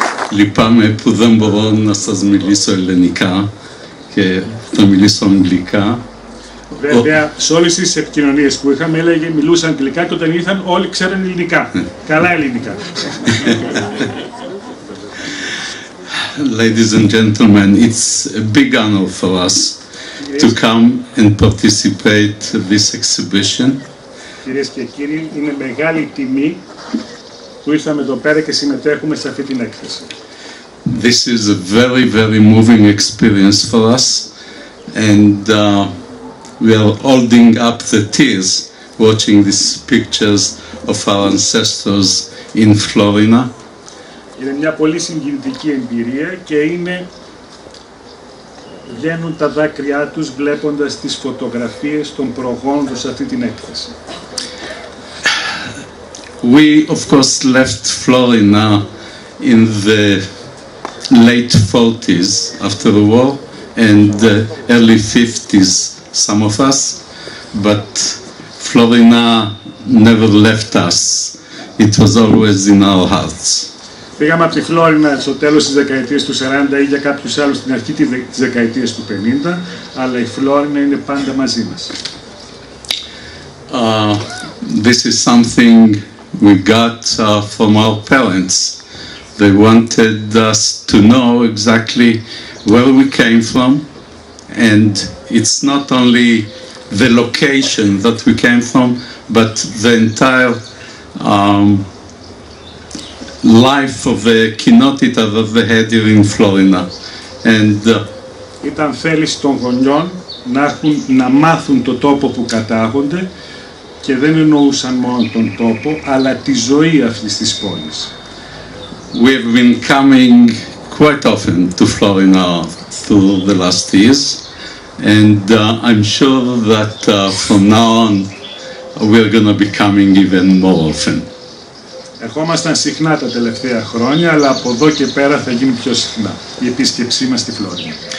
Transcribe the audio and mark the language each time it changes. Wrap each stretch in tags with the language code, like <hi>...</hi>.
<el>Λυπάμαι που δεν μπορώ να σας μιλήσω ελληνικά και να μιλήσω αγγλικά. Βέβαια, σε όλες τις επικοινωνίες που είχαμε έλεγε μιλούσαν αγγλικά και όταν ήρθαν όλοι ξέραν ελληνικά. Καλά ελληνικά.</el> <en>Ladies and gentlemen, it's a big honor for us to come and participate in this exhibition.</en> <el>Κυρίες και κύριοι, είναι μεγάλη τιμή που ήρθαμε εδώ πέρα και συμμετέχουμε σε αυτή την έκθεση.</el> <en>This is a very, very moving experience for us, and we are holding up the tears watching these pictures of our ancestors in Florina.</en> <el>Είναι μια πολύ συγκινητική εμπειρία και είναι βγαίνουν τα δάκρυά τους βλέποντας τις φωτογραφίες των προγόντων σε αυτή την έκθεση.</el> <en>We of course left Florina in the late 40s after the war and early 50s some of us, but Florina never left us. It was always in our hearts.</en> <el>Πήγαμε από τη Φλόρινα στο τέλος της δεκαετίας του 40 ή για κάποιους άλλους στην αρχή της δεκαετίας του 50, αλλά η Φλόρινα είναι πάντα μαζί μας.</el> <en>This is something we got from our parents. They wanted us to know exactly where we came from, and it's not only the location that we came from, but the entire life of the kinotita that they had here in Florina. And</en> <el>ήταν θέληση των γονιών να μάθουν το τόπο που κατάγονται. Και δεν εννοούσαν μόνο τον τόπο, αλλά τη ζωή αυτής της πόλης.</el> <en>We have been coming quite often to Florina through the last years, and I'm sure that from now on we are going to be coming even more often.</en> <el>Ερχόμασταν συχνά τα τελευταία χρόνια, αλλά από εδώ και πέρα θα γίνει πιο συχνά η επίσκεψή μας στη Φλόρινα.</el>